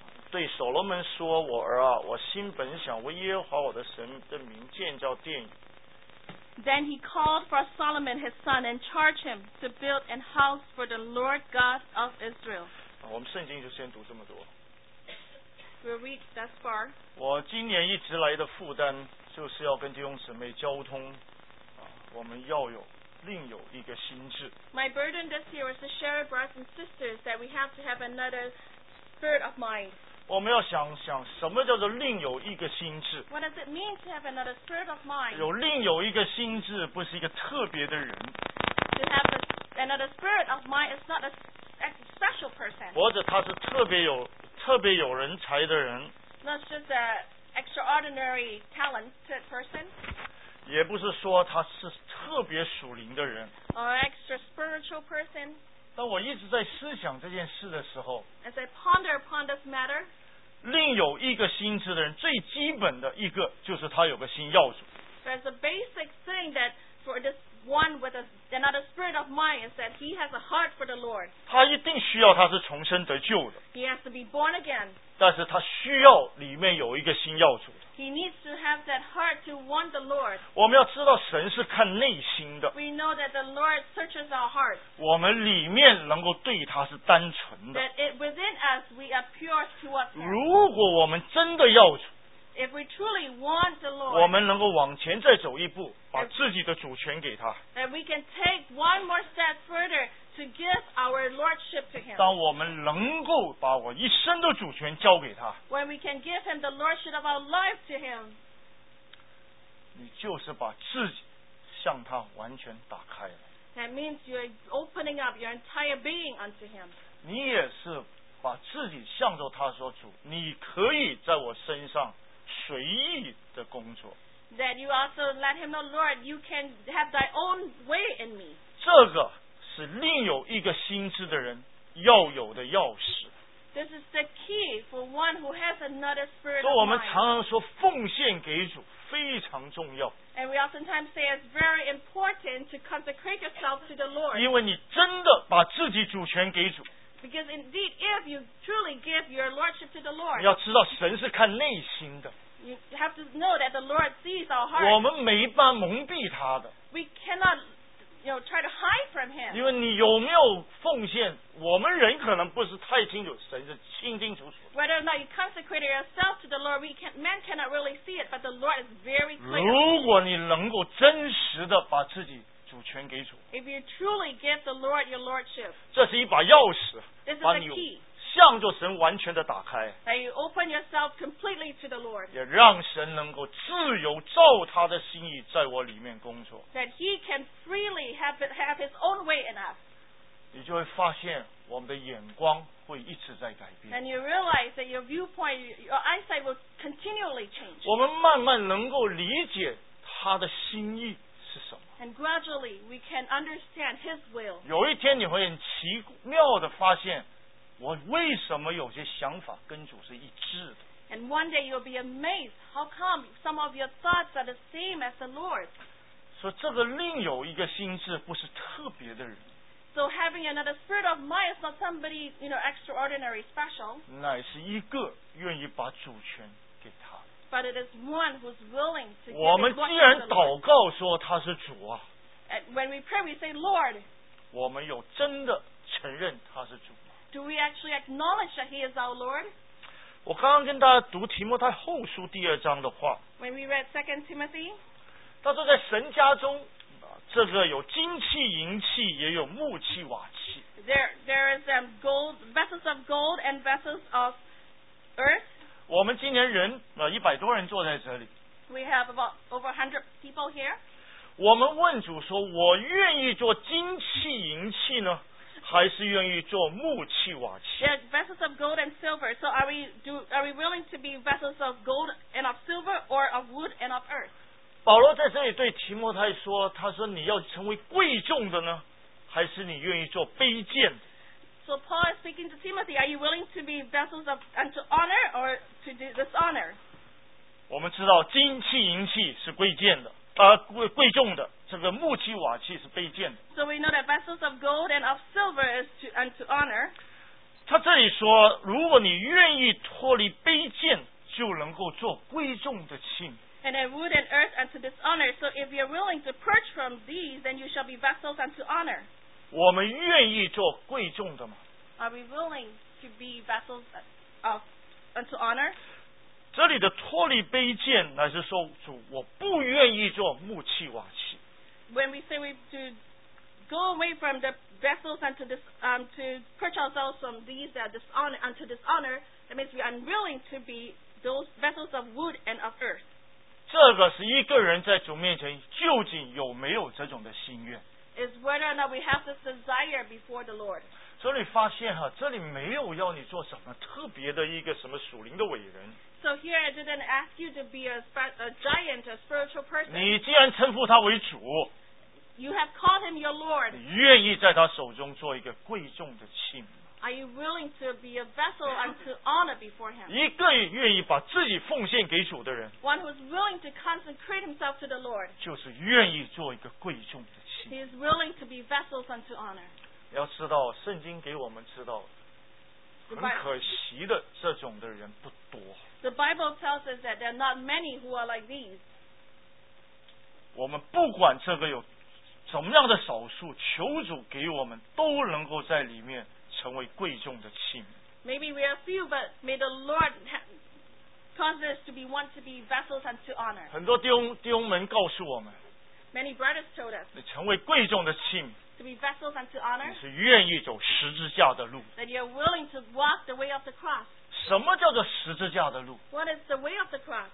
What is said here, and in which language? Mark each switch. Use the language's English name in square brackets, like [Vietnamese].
[Chinese] 对所罗门说我儿啊我心本想为耶和华我的神的名建造殿宇 [English] Then he called for Solomon his son and charged him to build an house for the Lord God of Israel、 [Chinese] 啊、我们圣经就先读这么多 [English] We'll read thus far [Chinese] 我今年一直来的负担就是要跟弟兄姊妹交通、啊、我们要有另有一个心智 [English] My burden this year is to share brothers and sisters that we have to have anotherSpirit of mind. [Chinese] 我们要想想什么叫做另有一个心智 [English] What does it mean to have another spirit of mind? [Chinese] 有另有一个心智不是一个特别的人 [English] To have another spirit of mind is not a special person [Chinese] 或者他是特别有人才的人 [English] Not just an extraordinary talented person [Chinese] 也不是说他是特别属灵的人 [English] Or an extra spiritual person [Chinese] 当我一直在思想这件事的时候 [English] As I ponder upon this matter [Chinese] 另有一个心智的人最基本的一个就是他有个心要主 [English] There's a basic thing that for this one with another spirit of mind is that he has a heart for the Lord [Chinese] 他一定需要他是重生得救的 [English] He has to be born again [Chinese] 但是他需要里面有一个心要主的 [English] He needs to have that heart to want the Lord [Chinese] 我们要知道神是看内心的 [English] We know that the Lord searches our hearts [Chinese] 我们里面能够对他是单纯的 [English] That it, within us we are pure towards him [Chinese] 如果我们真的要主 [English] If we truly want the Lord, [Chinese] 我们能够往前再走一步把自己的主权给他 [English] that we can take one more step further to give our lordship to him [Chinese] 当我们能够把我一生的主权交给他 [English] when we can give him the lordship of our life to him [Chinese] 你就是把自己向他完全打开了 [English] that means you're opening up your entire being unto him [Chinese] 你也是把自己向着他说主你可以在我身上随意的工作 [English] that you also let him know Lord you can have thy own way in me [Chinese] 这个是另有一个心智的人要有的钥匙 [English] this is the key for one who has another spirit [Chinese] 所以我们常常说奉献给主非常重要 [English] and we oftentimes say it's very important to consecrate yourself to the Lord [Chinese] 因为你真的把自己主权给主 [English] Because indeed, if you truly give your lordship to the Lord, [Chinese] 你要知道神是看内心的。 [English] You have to know that the Lord sees our hearts. [Chinese] 我们没办法蒙蔽他的。 [English] We cannot, you know, try to hide from him. [Chinese] 因为你有没有奉献，我们人可能不是太清楚，神是清清楚楚。 [English] Whether or not you consecrate yourself to the Lord, man cannot really see it, but the Lord is very clear. [Chinese] 如果你能够真实的把自己主权给主 [English] If you truly give the Lord your lordship, [Chinese] 这是一把钥匙 [English] This is [Chinese] 把你向着神完全的打开 [English] that you open yourself completely to the Lord, [Chinese] 也让神能够自由照他的心意在我里面工作 [English] that he can freely have his own way in us [Chinese] 你就会发现我们的眼光会一直在改变 [English] and you realize that your viewpoint your eyesight will continually change [Chinese] 我们慢慢能够理解他的心意 [English] And gradually, we can understand His will. [Chinese] 有一天你会很奇妙地发现，我为什么有些想法跟主是一致的。 [English] And one day you'll be amazed how come some of your thoughts are the same as the Lord. [Chinese] 说这个另有一个心智不是特别的人。 [English] So having another spirit of mind is not somebody you know extraordinary special. [Chinese] 乃是一个愿意把主权给他。 [English] But it is one who's willing to give his life. [Chinese] 我们既然祷告说他是主啊 [English] And when we pray, we say, Lord. [Chinese] 我们有真的承认他是主吗 [English] Do we actually acknowledge that he is our Lord? [Chinese] 我刚刚跟大家读提摩太后书第二章的话 [English] When we read 2 Timothy. [Chinese] 他说在神家中这个有金器银器也有木器瓦器 [English] There is gold, vessels of gold and vessels of earth. [Chinese] 我们今年人一百多人坐在这里 [English] We have about over 100 people here [Chinese] 我们问主说我愿意做金器银器呢还是愿意做木器瓦器 [English] Yeah, vessels of gold and silver So are we willing to be vessels of gold and of silver or of wood and of earth [Chinese] 保罗在这里对提摩太说他说你要成为贵重的呢还是你愿意做卑贱的 [English] So Paul is speaking to Timothy. Are you willing to be vessels of unto honor or to do dishonor? [Chinese] 我们知道金器银器是贵贱的，贵重的，这个木器瓦器是卑贱的。 [English] So we know that vessels of gold and of silver is to and to honor. [Chinese] 他这里说，如果你愿意脱离卑贱，就能够做贵重的器皿。 [English] And then wood and earth unto dishonor. So if you're willing to purge from these, then you shall be vessels unto honor. [Chinese] 我们愿意做贵重的吗？ [English] Are we willing to be vessels of unto honor? [Chinese] 这里的脱离卑贱，乃是说主，我不愿意做木器瓦器。 [English] When we say we to go away from the vessels unto this, to purge ourselves from these that dishonor unto dishonor, that means we are unwilling to be those vessels of wood and of earth. [Chinese] 这个是一个人在主面前究竟有没有这种的心愿。 [English] Is whether or not we have this desire before the Lord. [Chinese] 所以你发现哈，这里没有要你做什么特别的一个什么属灵的伟人。 [English] So here I didn't ask you to be a giant, a spiritual person. [Chinese] 你既然称呼他为主。 [English] You have called him your Lord. [Chinese] 你愿意在他手中做一个贵重的器皿。 [English] Are you willing to be a vessel unto honor before him? [Chinese] 一个愿意把自己奉献给主的人。 [English] One who is willing to consecrate himself to the Lord. [Chinese] 就是愿意做一个贵重的器皿。 [English] He is willing to be vessels unto honor. [Chinese] 要知道，圣经给我们知道，很可惜的，这种的人不多。 [English] The Bible tells us that there are not many who are like these. [Chinese] 我们不管这个有什么样的少数，求主给我们都能够在里面。成为贵重的器皿。 [English] Maybe we are few, but may the Lord cause us to be one to be vessels and to honor. [Chinese] 很多弟兄们告诉我们。 [English] Many brothers told us. [Chinese] 你成为贵重的器皿。 [English] To be vessels and to honor. [Chinese] 你是愿意走十字架的路。 [English] That you are willing to walk the way of the cross. [Chinese] 什么叫做十字架的路 [English] ？What is the way of the cross?